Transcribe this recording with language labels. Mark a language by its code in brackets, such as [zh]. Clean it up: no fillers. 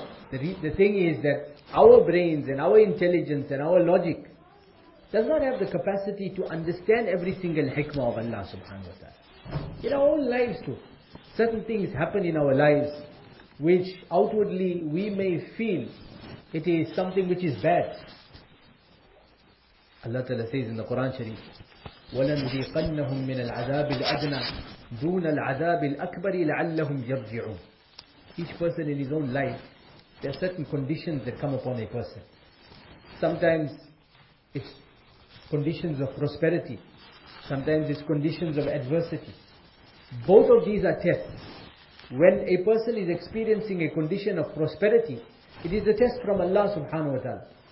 [en] The thing is that our brains and our intelligence and our logic does not have the capacity to understand every single hikmah of Allah subhanahu wa ta'ala. In our own lives too, certain things happen in our lives which outwardly we may feel it is something which is bad. Allah Ta'ala says in the Quran Sharif, [ar] وَلَنْذِيقَنَّهُمْ مِنَ الْعَذَابِ الْأَدْنَى دُونَ الْعَذَابِ الْأَكْبَرِ لَعَلَّهُمْ يَرْجِعُونَ. [en] Each person in his own life, there are certain conditions that come upon a person. Sometimes it's conditions of prosperity. Sometimes it's conditions of adversity. Both of these are tests. When a person is experiencing a condition of prosperity, it is a test from Allah subhanahu wa ta'ala.